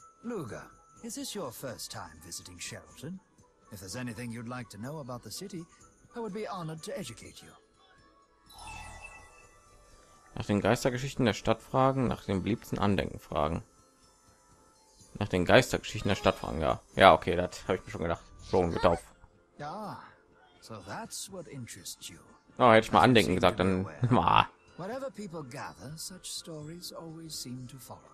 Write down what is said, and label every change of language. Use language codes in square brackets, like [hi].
[en] Luga, is this your first time visiting Sheraton? If there's anything you'd like to know about the city, I would be honored to educate you. [de] Nach den Geistergeschichten der Stadt fragen, nach den beliebten Andenken fragen. Nach den Geistergeschichten der Stadt fragen, ja. Ja, okay, das habe ich mir schon gedacht. Schon mit auf. Ja. [en] So that's what interests you. [de] Oh, hätte ich mal Andenken gesagt, dann mal. [en] Whatever people gather, such stories always seem to follow.